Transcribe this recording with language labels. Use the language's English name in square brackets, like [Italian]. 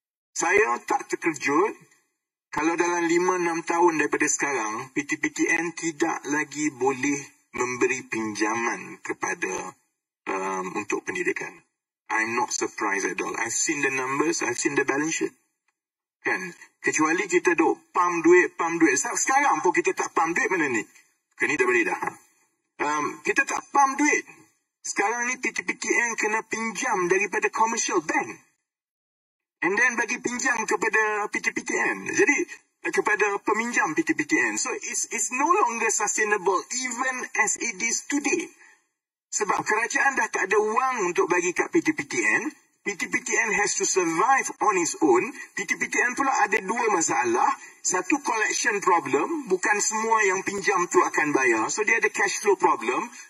[Malay] Saya tak terkejut kalau dalam 5-6 tahun daripada sekarang, PTPTN tidak lagi boleh memberi pinjaman kepada untuk pendidikan. [English] I'm not surprised at all. I've seen the numbers, I've seen the balance sheet. [Malay] Kan? Kecuali kita duk pam duit, pam duit. Sekarang pun kita tak pam duit mana ni? Kini dah boleh dah. Kita tak pam duit. Sekarang ni PTPTN kena pinjam daripada commercial bank. [English] And then [Malay] bagi pinjam kepada PTPTN. Jadi, kepada peminjam PTPTN. [English] So, it's no longer sustainable even as it is today. [Malay] Sebab kerajaan dah tak ada wang untuk bagi kat PTPTN. [English] PTPTN has to survive on its own. [Malay] PTPTN pula ada dua masalah. Satu collection problem. Bukan semua yang pinjam tu akan bayar. So, dia ada cash flow problem.